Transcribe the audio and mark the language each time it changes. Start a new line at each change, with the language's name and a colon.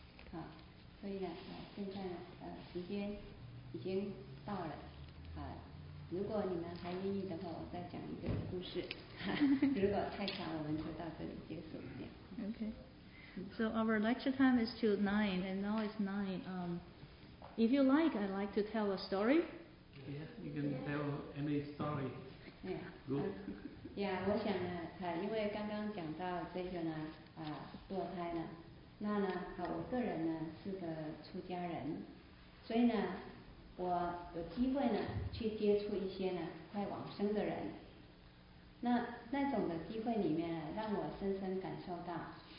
Chinese: 好，所以呢，现在呢，时间已经到了。好，如果你们还愿意的话，我再讲一个故事。如果太长，我们就到这里结束。
English: OK。 So our lecture time is till 9, and now it's 9. If you like, I'd like to tell a story. Yeah, you can tell any story. Yeah. Good.
Chinese: Yeah, 我想呢，因为刚刚讲到这个呢，堕胎呢，那呢，我个人呢是个出家人，所以呢，我有机会呢去接触一些呢快往生的人，那种的机会里面呢，让我深深感受到。